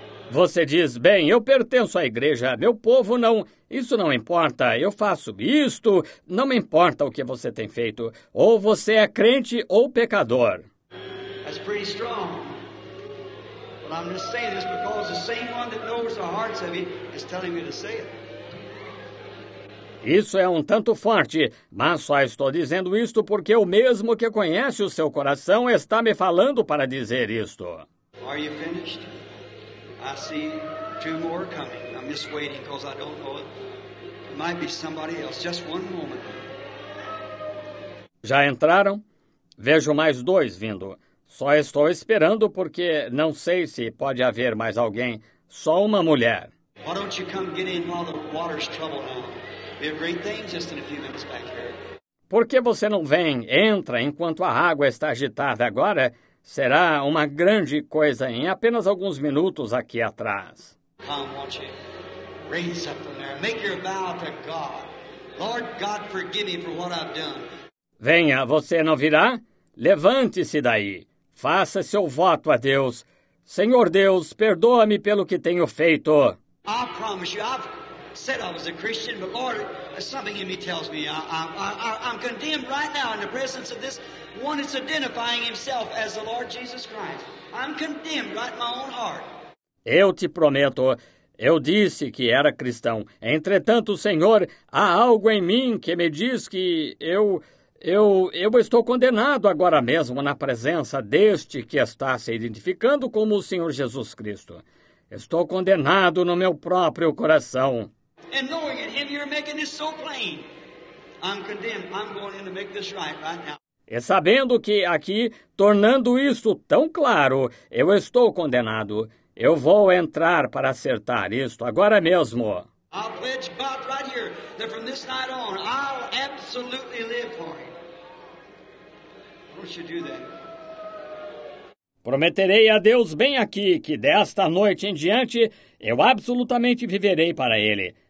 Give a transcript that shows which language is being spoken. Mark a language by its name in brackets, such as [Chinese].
[Portuguese] Você diz, bem, eu pertenço à igreja, meu povo não, isso não importa, eu faço isto, não me importa o que você tem feito, ou você é crente ou pecador. [English] That's pretty strong. But I'm just saying this because the same one that knows the hearts of you is telling me to say it. [Portuguese] Isso é um tanto forte, mas só estou dizendo isto porque o mesmo que conhece o seu coração está me falando para dizer isto. [English] Are you finished? I see two more coming. I'm just waiting because I don't know it. It might be somebody else. Just one moment. [Portuguese] Já entraram? Vejo mais dois vindo. Só estou esperando porque não sei se pode haver mais alguém. Só uma mulher. [English] Why don't you come get in while the water's troubled now? It'd be a great thing just in a few minutes back here. [Portuguese] Por que você não vem? Entra enquanto a água está agitada agora. Será uma grande coisa em apenas alguns minutos aqui atrás. [English] Come, won't you? Raise up from there. Make your vow to God. Lord God, forgive me for what I've done. [Portuguese] Venha, você não virá? Levante-se daí. Faça seu voto a Deus. Senhor Deus, perdoa-me pelo que tenho feito. [English] I promise you, I've said I was a Christian, but Lord, something in me tells me I'm condemned right now in the presence of this one that's identifying himself as the Lord Jesus Christ. I'm condemned right in my own heart. [Portuguese] Eu te prometo, eu disse que era cristão. Entretanto, Senhor, há algo em mim que me diz que eu estou condenado agora mesmo na presença deste que está se identificando como o Senhor Jesus Cristo. Estou condenado no meu próprio coração. [English] And knowing it, him, you're making this so plain. I'm condemned. I'm going in to make this right now. [Portuguese] E sabendo que aqui, tornando isto tão claro, eu estou condenado. Eu vou entrar para acertar isto agora mesmo. [English] I'll pledge God right here that from this night on, I'll absolutely live for him. Don't you do that? [Portuguese] Prometerei a Deus bem aqui que desta noite em diante eu absolutamente viverei para Ele.